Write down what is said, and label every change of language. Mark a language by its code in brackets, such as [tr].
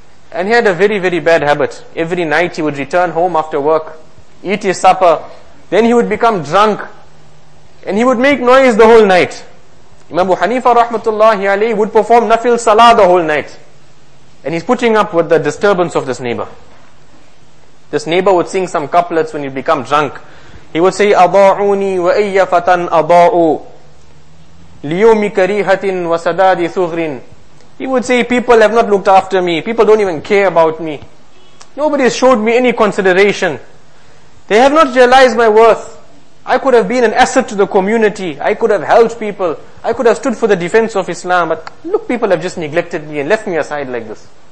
[en] And he had a very, very bad habit. Every night he would return home after work, eat his supper, then he would become drunk, and he would make noise the whole night. Imam Abu Hanifa rahmatullahi alayhi would perform nafil salah the whole night. And he's putting up with the disturbance of this neighbor. This neighbor would sing some couplets when he'd become drunk. He would say, [ar] أَضَاعُونِي وَأَيَّ فَتَنْ أَضَاعُوا لِيُومِ كَرِيهَةٍ وَسَدَادِ ثُغْرٍ. [en] He would say, people have not looked after me. People don't even care about me. Nobody has showed me any consideration. They have not realized my worth. I could have been an asset to the community. I could have helped people. I could have stood for the defense of Islam. But look, people have just neglected me and left me aside like this.